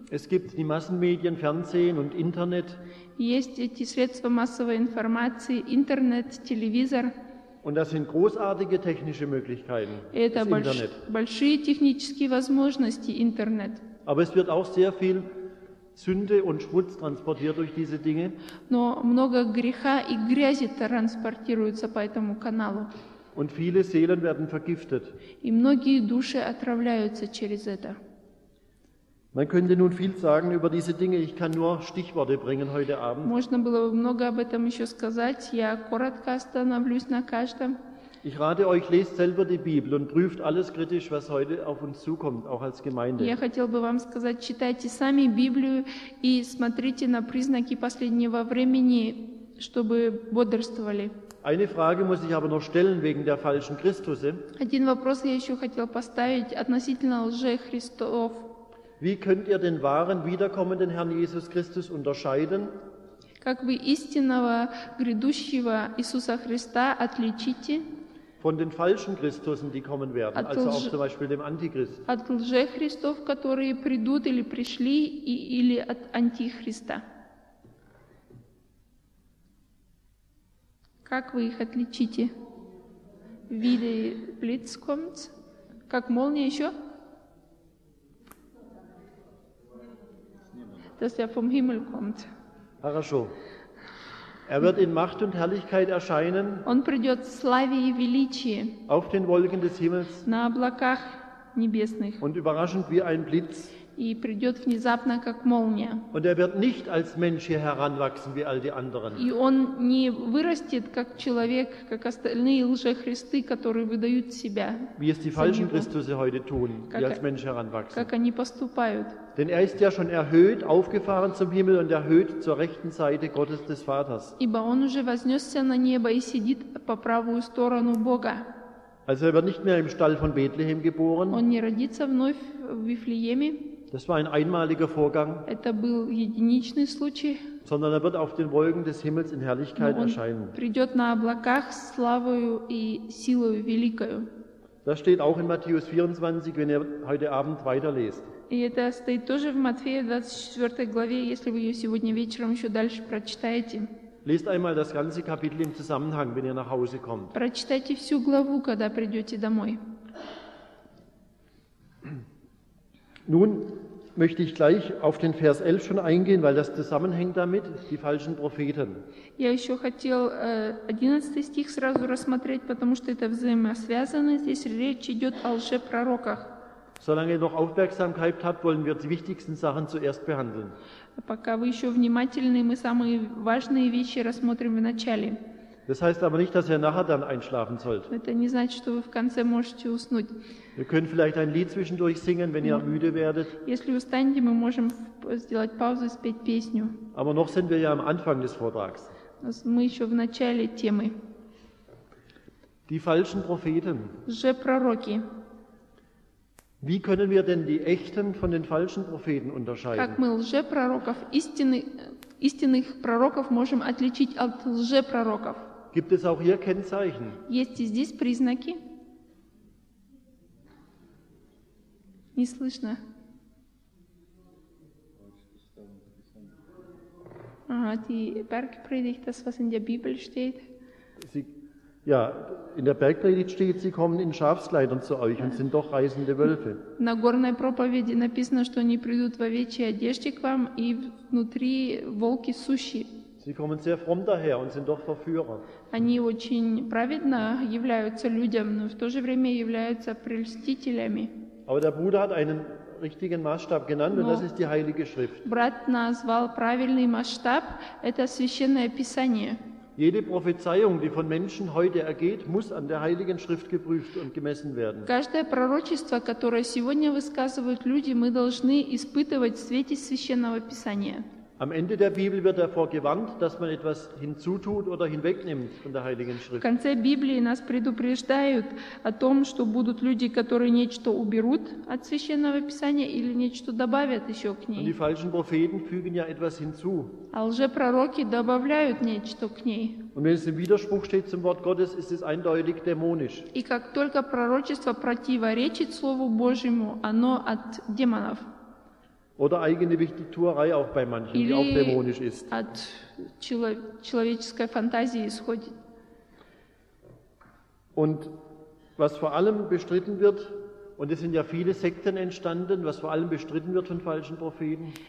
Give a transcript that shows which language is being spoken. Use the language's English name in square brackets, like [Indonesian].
[German] Es gibt die Massenmedien, Fernsehen und Internet. [Russian] Есть эти средства массовой информации, Internet, телевизор. [German] Und das sind großartige technische Möglichkeiten. [Russian] Это большие технические возможности Internet. [German] Aber es wird auch sehr viel Sünde und Schmutz transportiert durch diese Dinge. [Russian] Но много греха и грязи транспортируется по этому каналу. [German] Und viele Seelen werden vergiftet. [Russian] И многие души отравляются через это. [German] Man könnte nun viel sagen über diese Dinge, ich kann nur Stichworte bringen heute Abend. [Russian] Можно было бы много об этом еще сказать, я коротко остановлюсь на каждом. [German] Ich rate euch, lest selber die Bibel und prüft alles kritisch, was heute auf uns zukommt, auch als Gemeinde. [Russian] Я хотел бы вам сказать, читайте сами Библию и смотрите на признаки последнего времени, чтобы бодрствовали. [German] Eine Frage muss ich aber noch stellen wegen der falschen Christusse. [Russian] Один вопрос я еще хотел поставить относительно лжи Христов. [German] Wie könnt ihr den wahren wiederkommenden Herrn Jesus Christus unterscheiden? [Russian] Как вы истинного грядущего Иисуса Христа отличите? [German] Von den falschen Christusen, die kommen werden, also auch zum Beispiel dem Antichrist. [Russian] От лжехристов, которые придут или пришли, или от Антихриста. Как вы их отличите? [German] Wie Blitz kommt? [Russian] Как молния еще? [German] Dass er vom Himmel kommt. [Russian] Хорошо. [German] Er wird in Macht und Herrlichkeit erscheinen. [Russian] Он придет в славе и величии. [German] Auf den Wolken des Himmels. [Russian] На облаках небесных. [German] Und überraschend wie ein Blitz. [Russian] И придет внезапно, как молния. [German] Und er wird nicht als Mensch hier heranwachsen wie all die anderen. [Russian] И он не вырастет как человек, как остальные лжехристы, которые выдают себя. [German] Wie es die falschen Christusse heute tun, die als Mensch heranwachsen. [Russian] Как они поступают? [German] Denn er ist ja schon erhöht, aufgefahren zum Himmel und erhöht zur rechten Seite Gottes des Vaters. [Russian] Ибо он уже вознесся на небо и сидит по правую сторону Бога. [German] Also er wird nicht mehr im Stall von Bethlehem geboren. [Russian] Он не родится вновь в Вифлееме. [German] Das war ein einmaliger Vorgang. [Russian] Это был единичный случай. [German] Sondern er wird auf den Wolken des Himmels in Herrlichkeit erscheinen. [Russian] Придёт на облаках славою и силою великою. [German] Das steht auch in Matthäus 24, wenn ihr heute Abend weiterlest. [Russian] И это стоит тоже в Матфея 24 главе, если вы её сегодня вечером ещё дальше прочитаете. [German] Lest einmal das ganze Kapitel im Zusammenhang, wenn ihr nach Hause kommt. [Russian] Прочитайте всю главу, когда придёте домой. [German] Nun möchte ich gleich auf den Vers 11 schon eingehen, weil das zusammenhängt damit, die falschen Propheten. [Russian] Я ещё хотел 11 стих сразу рассмотреть, потому что это взаимосвязано. Здесь речь идёт о лжепророках. [German] Solange ihr noch Aufmerksamkeit habt, wollen wir die wichtigsten Sachen zuerst behandeln. [Russian] Пока вы ещё внимательны, мы самые важные вещи рассмотрим вначале. [German] Das heißt aber nicht, dass ihr nachher dann einschlafen sollt. [Russian] Это не значит, что вы в конце можете уснуть. [German] Wir können vielleicht ein Lied zwischendurch singen, wenn ihr müde werdet. [Russian] Если устанете, мы можем сделать паузу и спеть песню. [German] Aber noch sind wir ja am Anfang des Vortrags. [Russian] Мы ещё в начале темы. [German] Die falschen Propheten. [Russian] Лжепророки. [German] Wie können wir denn die echten von den falschen Propheten unterscheiden? [Russian] Как мы лжепророков, истинных пророков можем отличить от лжепророков? [German] Gibt es auch hier Kennzeichen? [Russian] Есть и здесь признаки? Не слышно. [German] Die Bergpredigt, das was in der Bibel steht. Ja, in der Bergpredigt steht, sie kommen in Schafskleidern zu euch und sind doch reisende Wölfe. [Russian] На горной проповеди написано, что они придут в овечьей одежде к вам и внутри волки сущие. [German] Sie kommen sehr fromm daher und sind doch Verführer. [Russian] Они очень праведно являются людям, но в то же время являются прельстителями. [German] Aber der Bruder hat einen richtigen Maßstab genannt und das ist die Heilige Schrift. [Russian] Брат назвал правильный масштаб, это священное писание. [German] Jede Prophezeiung, die von Menschen heute ergeht, muss an der Heiligen Schrift geprüft und gemessen werden. [Russian] Каждое пророчество, которое сегодня высказывают люди, мы должны испытывать в свете священного Писания. [German] Am Ende der Bibel wird davor gewarnt, dass man etwas hinzutut oder hinwegnimmt von der Heiligen Schrift. [Russian] В конце Библии нас предупреждают о том, что будут люди, которые нечто уберут от священного Писания или нечто добавят еще к ней. [German] Und die falschen Propheten fügen ja etwas hinzu. [Russian] А лжепророки добавляют нечто к ней. [German] Und wenn es im Widerspruch steht zum Wort Gottes, ist es eindeutig dämonisch. [Russian] И как только пророчество противоречит Слову Божьему, оно от демонов. [German] Oder eigene Wichtigtuerei auch bei manchen, [Russian] или [German] die auch dämonisch ist. [Russian] От человеческой фантазии исходит. [German] Und was vor allem bestritten wird, und es sind ja viele Sekten entstanden, was vor allem bestritten wird von falschen Propheten.